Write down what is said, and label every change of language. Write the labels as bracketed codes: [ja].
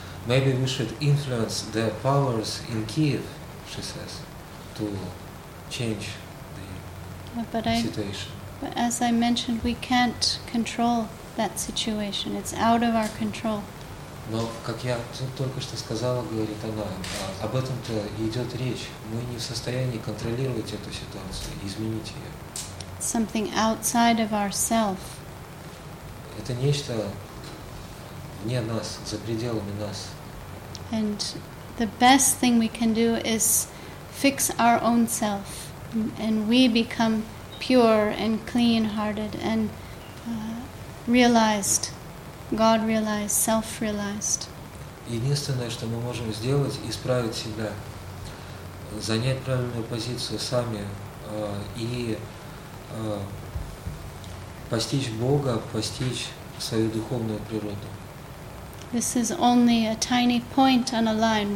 [en] Maybe we should influence the powers in Kyiv, she says, to change the situation. But as I mentioned, we can't control that situation. It's out of our control. [ru] Но как я только что сказала, говорит она, об этом-то идет речь. Мы не в состоянии контролировать эту ситуацию, изменить ее. [en] Something outside of ourself. [ru] Это нечто вне нас, за пределами нас. [en] And the best thing we can do is fix our own self, and we become pure and clean-hearted and realized, God-realized, self-realized. [ru] Единственное, что мы можем сделать, исправить себя, занять правильную позицию сами и постичь Бога, постичь свою духовную природу. [en] This is only a tiny point on a line.